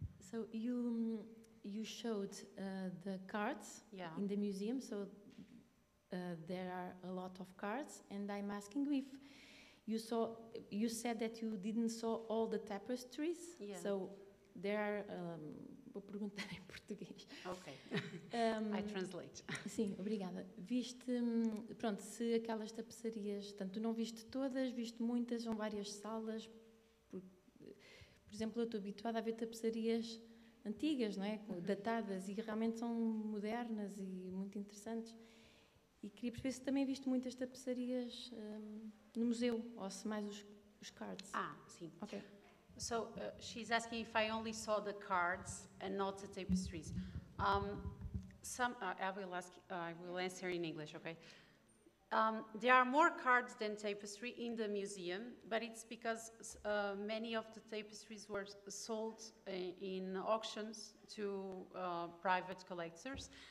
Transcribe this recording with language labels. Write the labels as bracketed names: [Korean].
[English] So you showed the cards in the museum, so there are a lot of cards, and I'm asking if you saw, you said that you didn't saw all the tapestries, so there are, [Portuguese] vou perguntar em português. [English] Ok, I translate. [Portuguese] Sim, obrigada. Viste, pronto, se aquelas tapeçarias, tanto não viste todas, viste muitas, são várias salas, por exemplo, eu estou habituada a ver tapeçarias antigas, não é? Datadas, e realmente são modernas e muito interessantes. E queria perceber se também viste muitas tapeçarias no museu, ou se mais os cards. Ah, sim. [English] Ok. So she's asking if I only saw the cards and not the tapestries. I will answer in English, okay? There are more cards than tapestry in the museum, but it's because many of the tapestries were sold in auctions to private collectors.